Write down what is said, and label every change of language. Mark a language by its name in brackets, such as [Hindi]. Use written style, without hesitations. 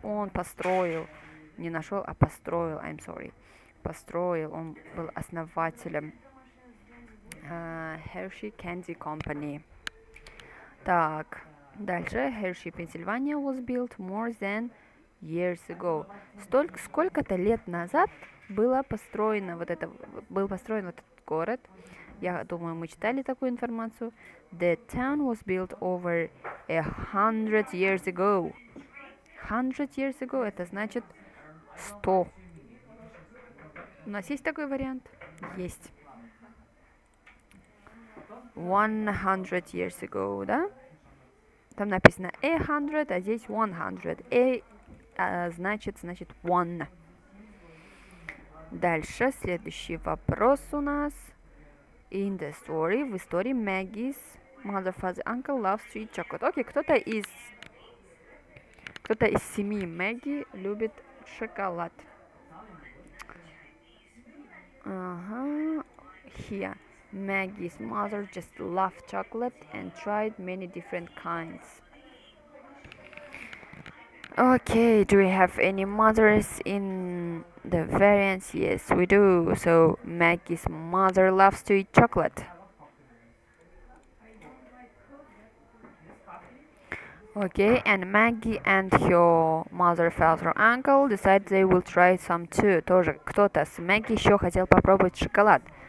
[Russian] Он построил. Не нашел, а построил. [English] I'm sorry. [Russian] Построил. Он был основателем Hershey Candy Company. Так, дальше. [English] Hershey, Pennsylvania was built more than years ago. [Russian] Сколько-то лет назад был построен вот этот город. Я думаю, мы читали такую информацию. [English] The town was built over 100 years ago. 100 years ago [Russian] – это значит 100. У нас есть такой вариант? Есть. [English] 100 years ago, [Russian] да? Там написано 100, а здесь 100. A значит 1. Дальше, следующий вопрос у нас. [English] In the story, [Russian] в истории [English] Maggie's mother, father, uncle loves to eat chocolate. [Russian] Окей, кто-то из семьи Мэгги любит шоколад. Ага, [English] here. Maggie's mother just loved chocolate and tried many different kinds. Okay, do we have any mothers in the variants? Yes, we do. So, Maggie's mother loves to eat chocolate. Okay, and Maggie and her mother, father, uncle decide they will try some too. [Russian] Тоже кто-то с Maggie еще хотел попробовать шоколад.